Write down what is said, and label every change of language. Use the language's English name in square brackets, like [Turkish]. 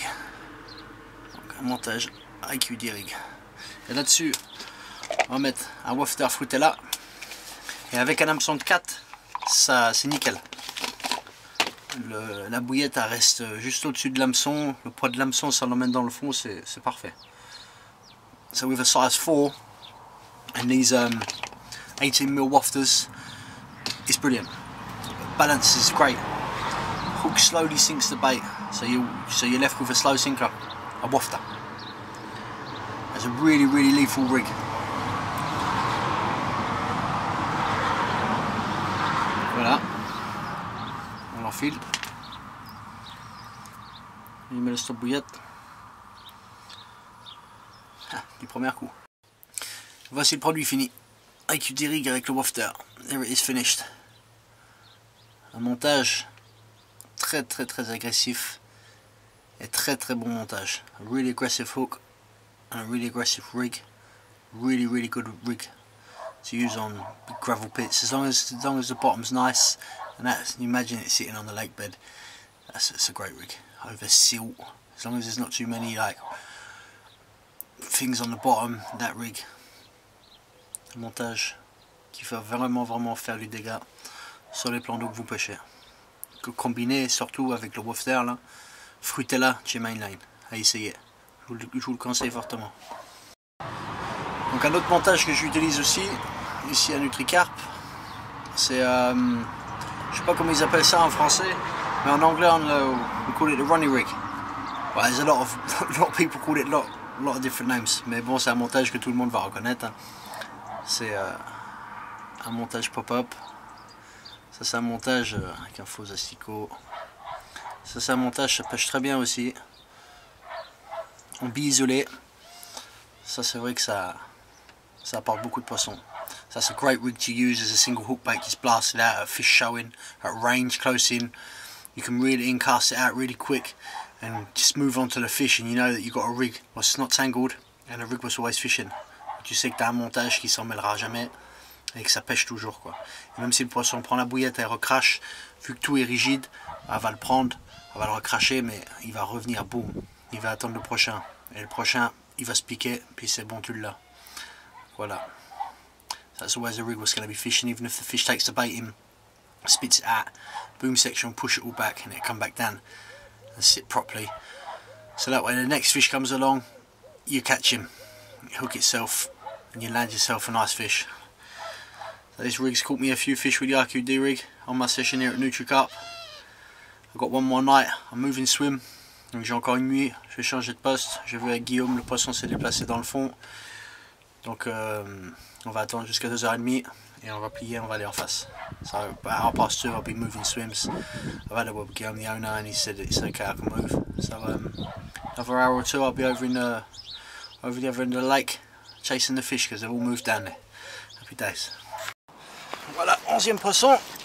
[French] Donc un montage IQD rig. Et là-dessus, on va mettre un wafter Frutella. Et avec un hameçon de 4, ça c'est nickel. La bouillette elle reste juste au-dessus de l'hameçon, le poids de l'hameçon ça l'emmène dans le fond, c'est parfait. [English] So with a size 4 and these 18mm wafters, it's brilliant. Balance is great. Hook slowly sinks the bait, so you're left with a slow sinker, a wafter. It's a really, really lethal rig. [French] Voilà. On l'enfile. Il met le stop bouillette. Du premier coup. Voici le produit fini. IQD rig avec le wafter. [English] There it is finished. [French] Un montage très très très agressif et très très bon montage. [English] A really aggressive hook and a really aggressive rig. Really really good rig to use on big gravel pits. As long as the bottom's nice, and that's, you imagine it sitting on the lake bed. That's a great rig. Over seal, as long as there's not too many like things on the bottom, that rig. [French] Un montage qui va vraiment vraiment faire du dégât sur les plans d'eau que vous pêchez. Que combiné surtout avec le wafter là, Frutella chez Mainline, à essayer. Je vous le conseille fortement. Donc un autre montage que j'utilise aussi, ici à NutriCarp, c'est je sais pas comment ils appellent ça en français, mais en anglais on [English] call it the Ronnie rig. Well, there's a lot of people call it a lot of different names, [French] mais bon, c'est un montage que tout le monde va reconnaître. C'est un montage pop-up. Ça, c'est un montage avec un faux asticot. Ça, c'est un montage, ça pêche très bien aussi. En bille isolée. Ça, c'est vrai que ça apporte beaucoup de poissons. Ça, c'est un [English] great rig to use as a single hook bait. It's blasted out at fish showing, at range, close in. You can really incast it out really quick and just move on to the fish, and you know that you got a rig was not tangled and a rig was always fishing. [French] Tu sais que t'as un montage qui s'en mêlera jamais et que ça pêche toujours quoi. Et même si le poisson prend la bouillette et recrache, vu que tout est rigide, elle va le prendre, elle va le recracher, mais il va revenir, boum, il va attendre le prochain. Et le prochain, il va se piquer, puis c'est bon, tu l'as. Voilà. [English] That's always a rig was going to be fishing, even if the fish takes the bait in, spits it out, boom section, push it all back and it come back down and sit properly, so that when the next fish comes along you catch him, you hook itself and you land yourself a nice fish. So this rig's caught me a few fish with the IQD rig on my session here at NutriCarp. I've got one more night, I'm moving swim, [French] donc j'ai encore une nuit, je vais changer de poste, je vais avec Guillaume, le poisson s'est déplacé dans le fond, donc on va attendre jusqu'à 2h30 et on va plier, on va aller en face. [English] So about 2:30 I'll be moving swims. I've had a word with Guillaume, the owner, and he said it's okay, I can move. So another hour or two I'll be over the other end of the lake chasing the fish because they've all moved down there. Happy days. [French] Voilà, 11e poisson.